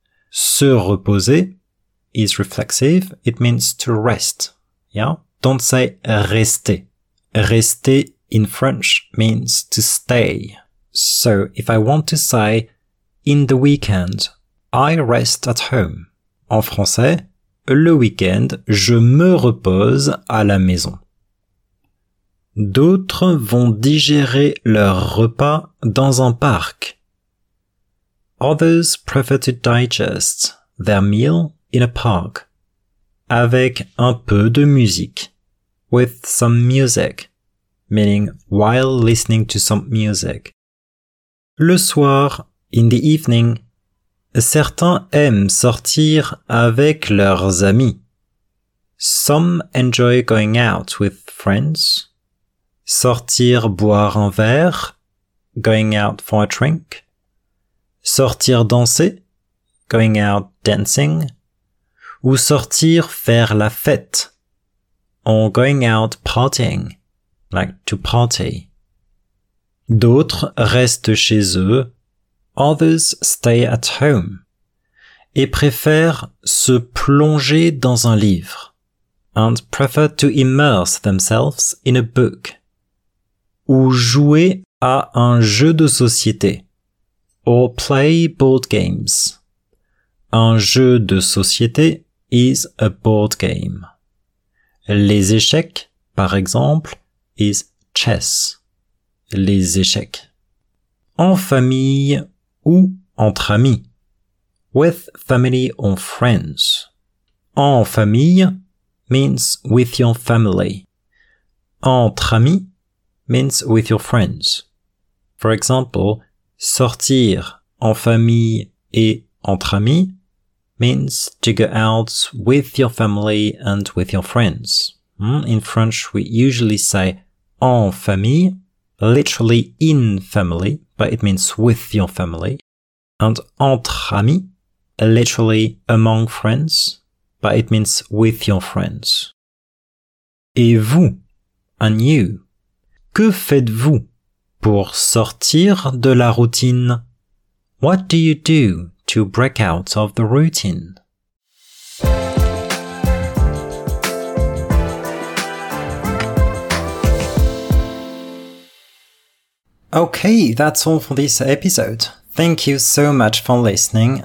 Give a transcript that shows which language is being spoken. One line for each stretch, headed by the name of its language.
French: Se reposer
English: is reflexive, it means to rest. Yeah? Don't say rester. Rester in French means to stay. So if I want to say in the weekend, I rest at home.
French: En français, le week-end, je me repose à la maison. D'autres vont digérer leur repas dans un parc.
English: Others prefer to digest their meal in a park.
French: Avec un peu de musique.
English: With some music. Meaning while listening to some music.
French: Le soir,
English: in the evening,
French: certains aiment sortir avec leurs amis.
English: Some enjoy going out with friends.
French: Sortir boire un verre,
English: going out for a drink.
French: Sortir danser,
English: going out dancing.
French: Ou sortir faire la fête,
English: or going out partying, like to party.
French: D'autres restent chez eux,
English: others stay at home,
French: et préfèrent se plonger dans un livre,
English: and prefer to immerse themselves in a book.
French: Ou jouer à un jeu de société,
English: or play board games.
French: Un jeu de société
English: is a board game.
French: Les échecs, par exemple,
English: is chess.
French: Les échecs. En famille ou entre amis.
English: With family or friends.
French: En famille
English: means with your family.
French: Entre amis
English: means with your friends. For example,
French: sortir en famille et entre amis
English: means to go out with your family and with your friends. In French, we usually say
French: en famille,
English: literally in family, but it means with your family. And
French: entre amis,
English: literally among friends, but it means with your friends.
French: Et vous,
English: and you.
French: Que faites-vous pour sortir de la routine?
English: What do you do to break out of the routine? Okay, that's all for this episode. Thank you so much for listening.